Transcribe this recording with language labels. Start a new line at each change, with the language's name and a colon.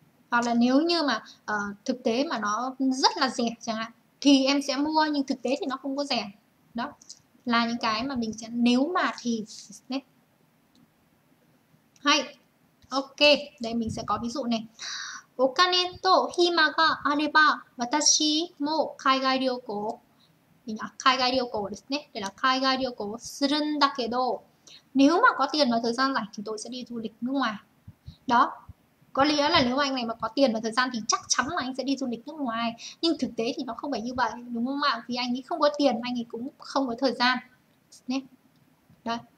Vietnamese: Hoặc là nếu như mà thực tế mà nó rất là rẻ chẳng hạn thì em sẽ mua, nhưng thực tế thì nó không có rẻ. Đó. Là những cái mà mình sẽ nếu mà thì đấy. Hay. Ok, đây mình sẽ có ví dụ này.
Japanese: お金と暇があれば私も海外旅行、いや、海外旅行ですね。で、海外旅行をするんだけど、
Vietnamese: nếu mà có tiền và thời gian rảnh thì tôi sẽ đi du lịch nước ngoài. Đó. Có nghĩa là nếu mà anh này mà có tiền và thời gian thì chắc chắn là anh sẽ đi du lịch nước ngoài, nhưng thực tế thì nó không phải như vậy đúng không ạ? Vì anh ấy không có tiền, anh ấy cũng không có thời gian đấy. Đó.